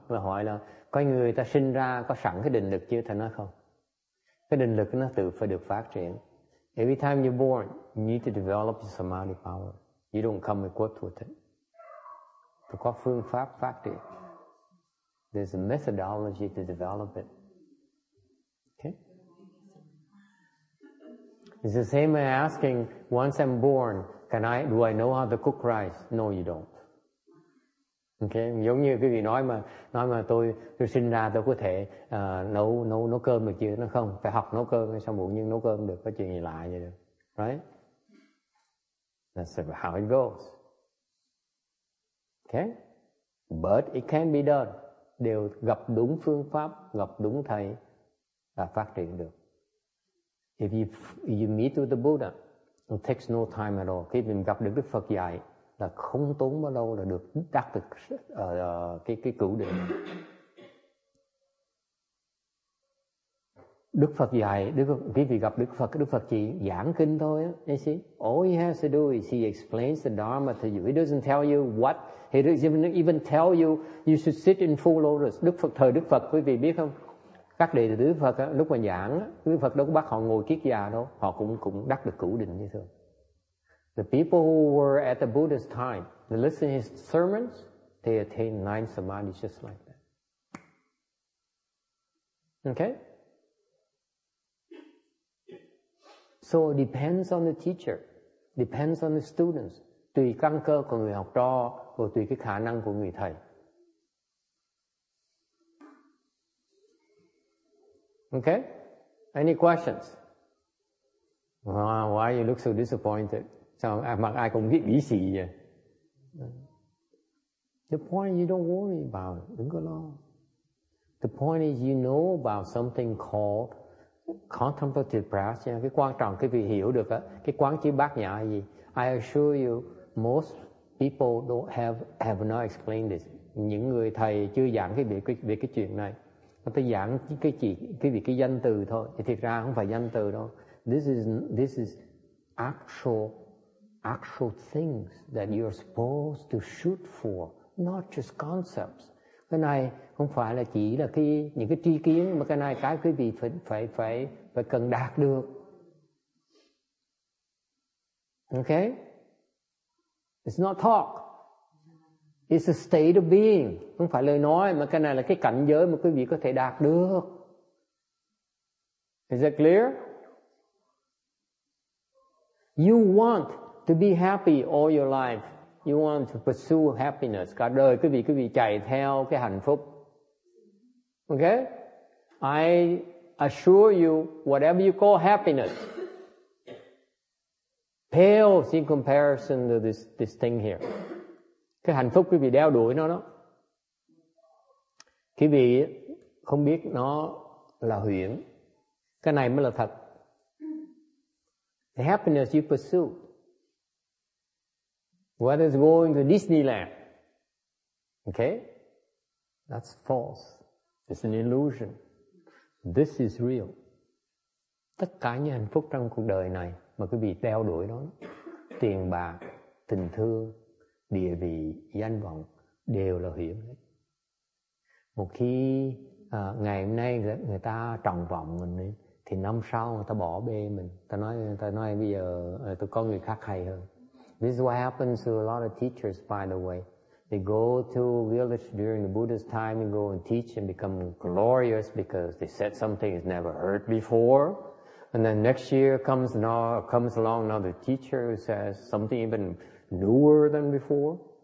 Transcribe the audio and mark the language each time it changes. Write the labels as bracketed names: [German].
[Vietnamese] Mà hỏi là có người ta sinh ra có sẵn cái định lực chưa? Thầy nói không. Cái định lực nó tự phải được phát triển. [English] Every time you're born, you need to develop your samadhi power. You don't come equipped with it. [Vietnamese] Phải có phương pháp phát triển. [English] There's a methodology to develop it. Okay? It's the same as asking, once I'm born, do I know how to cook rice? No, you don't. Okay. [Vietnamese] Giống như quý vị nói mà tôi sinh ra tôi có thể nấu cơm được chưa? Nó không, phải học nấu cơm, sao bụng nhưng nấu cơm được, có chuyện gì lạ vậy được. [English] Right? That's how it goes. Okay? But it can be done. [Vietnamese] Đều gặp đúng phương pháp, gặp đúng thầy là phát triển được. [English] If you meet with the Buddha, it takes no time at all. [Vietnamese] Khi mình gặp được Đức Phật dạy, là không tốn bao lâu là được đạt được cái cửu định. Đức Phật dạy, quý vị gặp Đức Phật chỉ giảng kinh thôi á, [English] you see? All he has to do is he explains the Dharma to you. He doesn't tell you what. He doesn't even tell you you should sit in full lotus. [Vietnamese] Đức Phật, quý vị biết không? Các đệ tử Đức Phật á, lúc mà giảng, Đức Phật đâu có bắt họ ngồi kiết già đâu, họ cũng đạt được cửu định như thường. [English] The people who were at the Buddha's time, they listen to his sermons, they attain 9 samadhi just like that. Okay? So it depends on the teacher, depends on the students. [Vietnamese] Tùy căn cơ của người học trò và tùy cái khả năng của người thầy. [English] Okay? Any questions? Wow, why you look so disappointed? [Vietnamese] So I cũng biết ý gì vậy. [English] The point is you don't worry about it. [Vietnamese] Đừng có lo. [English] The point is you know about something called contemplative practice. [Vietnamese] Cái quan trọng cái vị hiểu được á, cái quán chiếu bát nhã gì. [English] I assure you, most people don't have not explained this. [Vietnamese] Những người thầy chưa giảng về cái chuyện này. Nó tới giảng cái danh từ thôi. Thì thiệt ra không phải danh từ đâu. [English] This is actual things that you're supposed to shoot for, not just concepts. [Vietnamese] Cái này không phải là chỉ là cái những cái tri kiến, mà cái này cái quý vị phải cần đạt được. [English] Okay? It's not talk. It's a state of being. [Vietnamese] Không phải lời nói, mà cái này là cái cảnh giới mà quý vị có thể đạt được. [English] Is that clear? You want to be happy all your life. You want to pursue happiness. [Vietnamese] Cả đời quý vị chạy theo cái hạnh phúc. [English] Okay? I assure you, whatever you call happiness pales in comparison to this thing here. [Vietnamese] Cái hạnh phúc quý vị đeo đuổi nó đó. Quý vị không biết nó là huyễn. Cái này mới là thật. [English] The happiness you pursue, whether it's going to Disneyland, okay? That's false. It's an illusion. This is real. [Vietnamese] Tất cả những hạnh phúc trong cuộc đời này mà quý vị đeo đuổi đó, tiền bạc, tình thương, địa vị, danh vọng đều là huyễn. Một khi ngày hôm nay người ta trọng vọng mình ấy, thì năm sau người ta bỏ bê mình. Ta nói bây giờ tôi có người khác hay hơn. [English] This is what happens to a lot of teachers, by the way. They go to a village during the Buddha's time and go and teach and become glorious because they said something he's never heard before. And then next year comes along another teacher who says something even newer than before.